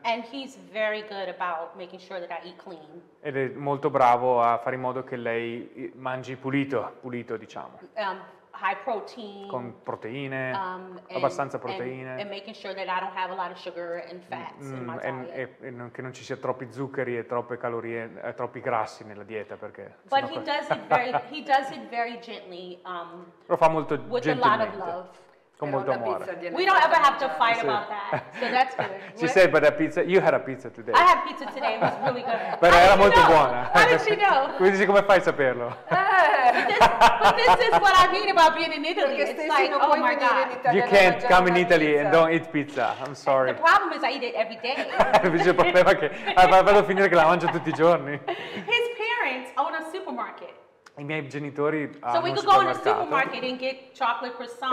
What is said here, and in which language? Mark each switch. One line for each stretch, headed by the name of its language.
English: And he's very good about making sure that I eat clean.
Italian: Ed è molto bravo a fare in modo che lei mangi pulito, diciamo.
English: High protein.
Italian: Con proteine, abbastanza proteine.
English: And making sure that I don't have a lot of sugar and fats in my diet.
Italian: Che non ci sia troppi zuccheri e troppe calorie, troppi grassi nella dieta, perché.
English: But he does it very gently.
Italian: Lo fa molto gentilmente.
English: With a lot of love.
Italian: Con molto amore.
English: We don't ever have to fight about that, so that's good. She said, but a pizza, you had a pizza today. I had pizza today, it was really good.
Italian: Però era molto buona.
English: How did she know?
Italian: Come fai a saperlo?
English: But this is what I mean about being in Italy. It's like, oh my God. You can't come in Italy and don't eat pizza. I'm sorry. The problem is I eat it every day.
Italian: Il problema è che vado a finire che la mangio tutti i giorni.
English: His parents own a supermarket.
Italian: I miei genitori
English: so we could go in a supermarket and get chocolate croissant.